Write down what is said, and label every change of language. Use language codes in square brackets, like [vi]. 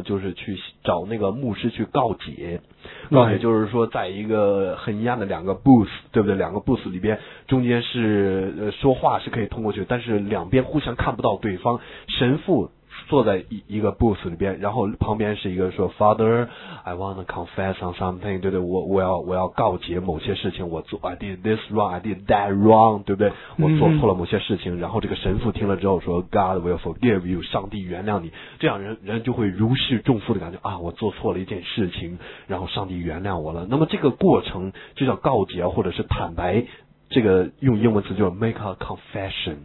[zh] 就是去找那个牧师去告解。告解就是说，在一个很阴暗的两个 booth， 对不对？两个 booth 里边，中间是说话是可以通过去，但是两边互相看不到对方。神父坐在一个 booth 里边，然后旁边是一个说 [en] Father, I want to confess on something， [zh] 对不对？我要告解某些事情，我做 [en] I did this wrong, I did that wrong， [zh] 对不对？我做错了某些事情，然后这个神父听了之后说 [en] God will forgive you， [zh] 上帝原谅你，这样人就会如释重负的感觉啊，我做错了一件事情，然后上帝原谅我了。那么这个过程就叫告解或者是坦白。这个用英文词就是 [en] make a confession，